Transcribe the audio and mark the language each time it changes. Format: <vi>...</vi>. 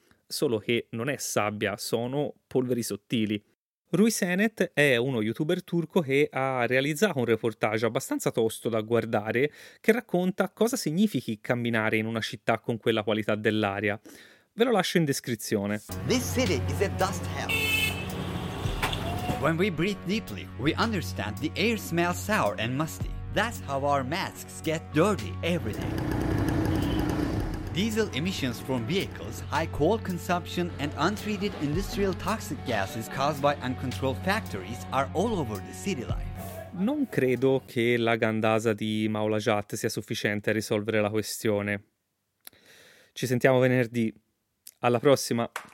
<it>Solo che non è sabbia, sono polveri sottili. Rui Senet è uno youtuber turco che ha realizzato un reportage abbastanza tosto da guardare che racconta cosa significhi camminare in una città con quella qualità dell'aria. Ve lo lascio in descrizione.</it> <en>This city is a dust hell. When we breathe deeply, we understand the air smells sour and musty. That's how our masks get dirty every day. Diesel emissions from vehicles, high coal consumption and untreated industrial toxic gases caused by uncontrolled factories are all over the city life.</en> <it>Non credo che la gandasa di Maula Jat sia sufficiente a risolvere la questione. Ci sentiamo venerdì. Alla prossima!</it>